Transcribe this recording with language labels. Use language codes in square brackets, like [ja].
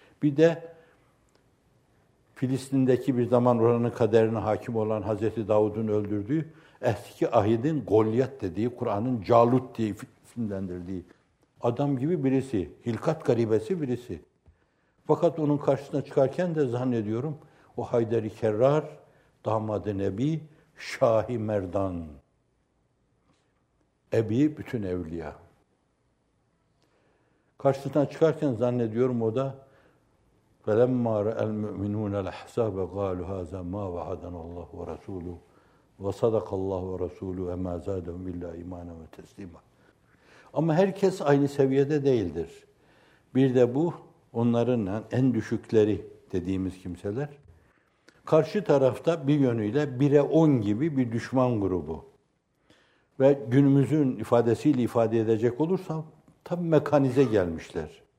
[tr] Bir de Filistin'deki bir zaman oranın kaderine hakim olan Hazreti Davud'un öldürdüğü eski ahidin Goliyat dediği, Kur'an'ın Calut diye isimlendirdiği adam gibi birisi, hilkat garibesi birisi. Fakat onun karşısına çıkarken de zannediyorum o Hayder-i Kerrar, damad-ı Nebi, Şah-ı Merdan, Ebi bütün evliya. Karşısına çıkarken zannediyorum o da [ar] فَلَمَّا رَأَ الْمُؤْمِنُونَ الْأَحْزَابَ قَالُوا هَذَا مَا وَعَدَنَ اللّٰهُ وَرَسُولُهُ وَصَدَقَ اللّٰهُ وَرَسُولُهُ وَمَا زَادَهُمْ اِلَّا اِمَانًا وَتَسْلِيمًا [tr] ama herkes aynı seviyede değildir. Bir de bu, onların en düşükleri dediğimiz kimseler. Karşı tarafta bir yönüyle 1'e 10 gibi bir düşman grubu. Ve günümüzün ifadesiyle ifade edecek olursam tam mekanize gelmişler.